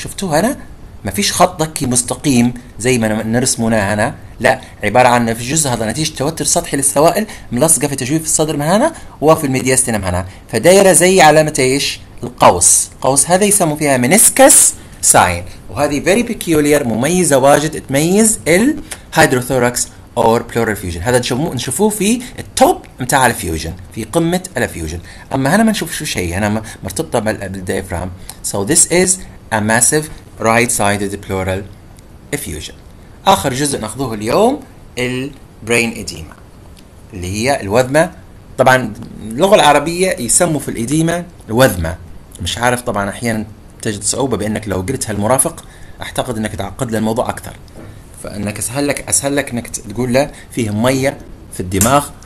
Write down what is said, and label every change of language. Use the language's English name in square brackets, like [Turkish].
[Arabic] شفتوا هنا ما فيش خط ذكي مستقيم زي ما نرسمناه هنا لا عبارة عن في الجزء هذا نتيجة توتر سطحي للسوائل ملصقة في تجويف الصدر من هنا وفي الميدياستينم هنا فدائرة زي علامة ايش القوس. القوس هذا يسموا فيها منسكس ساين وهذه [English] very peculiar [Arabic] مميزة واجد تميز الهيدروثوركس اور بلورال فيوجن. هذا نشوفوه في التوب متاع الفيوجن في قمه الفيوجن. اما هنا ما نشوف شو شيء هنا مرتبطه بالديافرام. [English] So this is a massive right sided pleural effusion. [Arabic] اخر جزء ناخذوه اليوم البرين اديما اللي هي الوذمه. طبعا اللغه العربيه يسموا في الاديما الوذمه مش عارف طبعا احيانا تجد صعوبه بانك لو قلت هالمرافق اعتقد انك تعقد للموضوع اكثر فانك اسهل لك انك تقول له فيه ميه في الدماغ